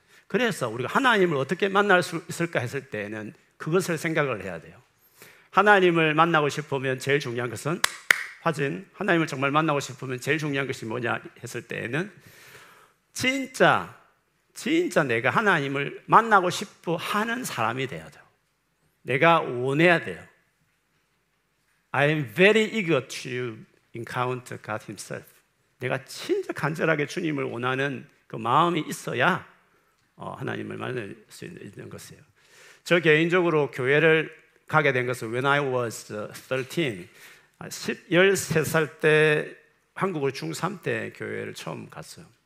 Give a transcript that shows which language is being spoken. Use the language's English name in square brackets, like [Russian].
[Korean] 그래서 우리가 하나님을 어떻게 만날 수 있을까 했을 때에는 그것을 생각을 해야 돼요. 하나님을 만나고 싶으면 제일 중요한 것은, 화진, 하나님을 정말 만나고 싶으면 제일 중요한 것이 뭐냐 했을 때에는 진짜 내가 하나님을 만나고 싶어 하는 사람이 되어야 돼요. 내가 원해야 돼요. [English] I am very eager to encounter God himself. [Korean] 내가 진짜 간절하게 주님을 원하는 그 마음이 있어야 하나님을 만날 수 있는 것이에요. 저 개인적으로 교회를 가게 된 것은 [English] when I was 13, [Korean] 13살 때 한국을 중3 때 교회를 처음 갔어요.